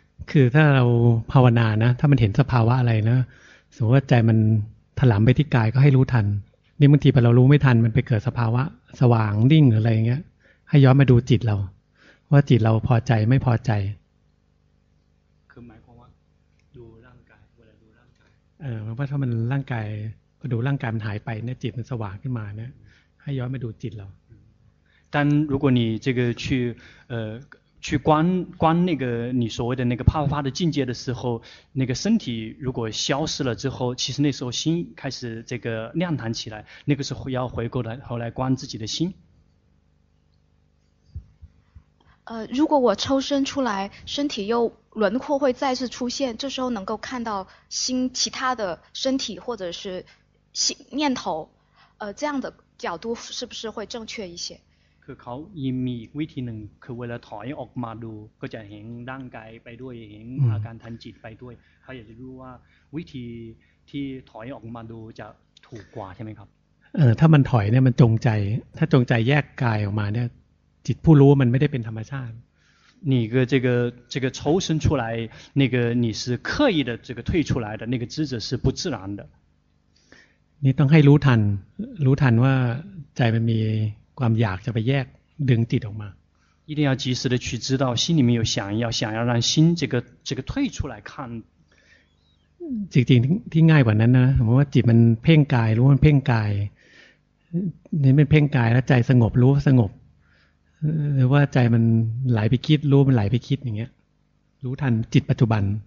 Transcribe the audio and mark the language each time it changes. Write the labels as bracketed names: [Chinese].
[Thai] คือถ้าเราภาวนานะถ้ามันเห็นสภาวะอะไรนะสมมติว่าใจมันถลำไปที่กายก็ให้รู้ทันนี่บางทีพอเรารู้ไม่ทันมันไปเกิดสภาวะสว่างนิ่งหรืออะไรอย่างเงี้ยให้ย้อนมาดูจิตเราว่าจิตเราพอใจไม่พอใจ คือหมายความว่าดูร่างกายเวลาดูร่างกาย หมายว่าถ้ามันร่างกายพอดูร่างกายมันหายไปเนี่ยจิตมันสว่างขึ้นมาเนี่ยให้ย้อนมาดูจิตเรา ดังนั้น [Chinese] 如果你这个去去观那个你所谓的那个啪啪啪的境界的时候，那个身体如果消失了之后，其实那时候心开始这个亮堂起来，那个时候要回过来后来观自己的心。如果我抽身出来，身体又轮廓会再次出现，这时候能够看到心其他的身体或者是心念头，这样的角度是不是会正确一些？ [Thai] คือเขายิ่งมีวิธีหนึ่งคือเวลาถอยออกมาดูก็จะเห็นร่างกายไปด้วยเห็นอาการทันจิตไปด้วยเขาอยากจะรู้ว่าวิธีที่ถอยออกมาดูจะถูกกว่าใช่ไหมครับ ถ้ามันถอยเนี่ยมันจงใจถ้าจงใจแยกกายออกมาเนี่ยจิตผู้รู้มันไม่ได้เป็นธรรมชาติ [Chinese] 你个这个抽身出来那个你是刻意的这个退出来的那个知者是不自然的 [Thai] นี่ต้องให้รู้ทันว่าใจมันมีความอยากจะไปแยกดึงจิตออกมา [Chinese] 一定要及时的去知道心里面有想要让心这个退出来看 [Thai] จริงๆที่ง่ายกว่านั้นนะผมว่าจิตมันเพ่งกายรู้มันเพ่งกายนี่มันเพ่งกายแล้วใจสงบรู้สงบหรือว่าใจมันไหลไปคิดรู้มันไหลไปคิดอย่างเงี้ยรู้ทันจิตปัจจุบัน